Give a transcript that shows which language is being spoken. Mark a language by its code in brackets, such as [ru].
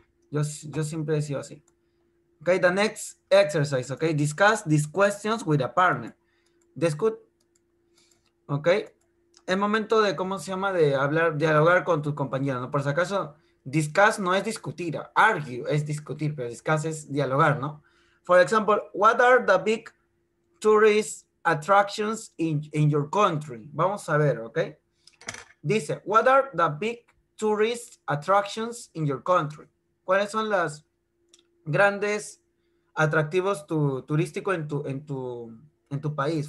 [es] Yo siempre he sido así. Ok, [en] the next exercise, [es] ok. [en] Discuss these questions with a partner. Ok. [es] Es momento de, ¿cómo se llama? De hablar, dialogar con tus compañeros, ¿no? Por si acaso... Discuss no es discutir, argue es discutir, pero discuss es dialogar, ¿no? [en] For example, what are the big tourist attractions in your country? [es] Vamos a ver, ¿ok? Dice, [en] what are the big tourist attractions in your country? [es] ¿Cuáles son las grandes atractivos turísticos en tu país?